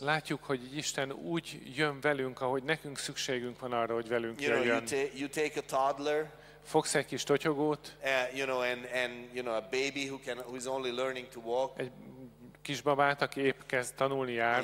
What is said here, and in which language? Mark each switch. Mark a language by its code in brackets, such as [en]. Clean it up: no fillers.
[hu] Látjuk, hogy Isten úgy jön velünk, ahogy nekünk szükségünk van arra, hogy velünk [en] you [hu] jöjjön. [en] You take a toddler, [hu] fogsz egy kis totyogót, [en] you know, and you know, a baby who is only learning to walk, [hu] egy kisbabát, aki épp kezd tanulni járni,